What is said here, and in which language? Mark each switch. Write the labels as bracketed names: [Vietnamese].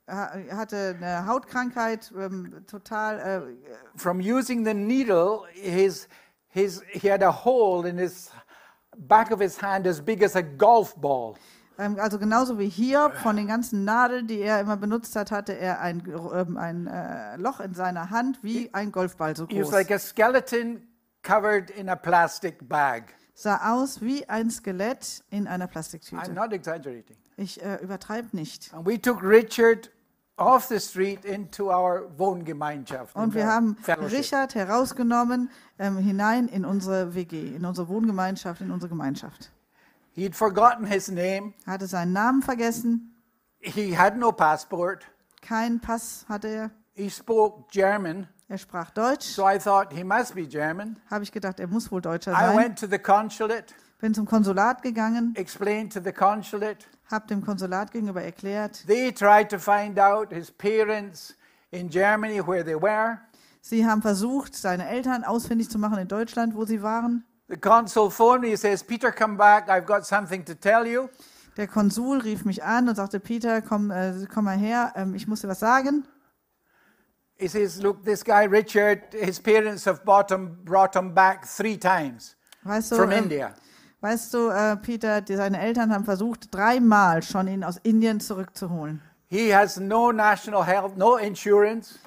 [German] Hatte eine Hautkrankheit, total. [English] From using the needle, he had a hole in his back of his hand as big as a golf ball. [German] Also genauso wie hier, von den ganzen Nadeln, die er immer benutzt hat, hatte er ein Loch in seiner Hand wie ein Golfball so groß. [English] He was like a skeleton covered in a plastic bag. [German] Sah aus wie ein Skelett in einer Plastiktüte. [English] I'm not exaggerating. [German] Ich übertreibe nicht. [English] And we took Richard off the street into our Wohngemeinschaft. [German] Und wir haben Richard herausgenommen, hinein in unsere WG, in unsere Wohngemeinschaft, in unsere Gemeinschaft. [English] He'd forgotten his name. [German] Hatte seinen Namen vergessen. [English] He had no passport. [German] Kein Pass hatte er. [English] He spoke German. [German] Er sprach Deutsch. [English] So I thought he must be German. [German] Habe ich gedacht, er muss wohl Deutscher sein. [English] I went to the consulate. [German] Bin zum Konsulat gegangen. [English] Explained to the consulate. [German] Hab dem Konsulat gegenüber erklärt. [English] They tried to find out his parents in Germany where they were. [German] Sie haben versucht, seine Eltern ausfindig zu machen in Deutschland, wo sie waren. [English] The consul phoned me and says, "Peter, come back. I've got something to tell you." [German] Der Konsul rief mich an und sagte, Peter, komm mal her. Ich muss dir was sagen. [English] He says, "Look, this guy Richard, his parents have brought him back 3 times from India." [German] Weißt du, Peter, seine Eltern haben versucht, 3 Mal schon ihn aus Indien zurückzuholen. [English] He has no national health, no insurance.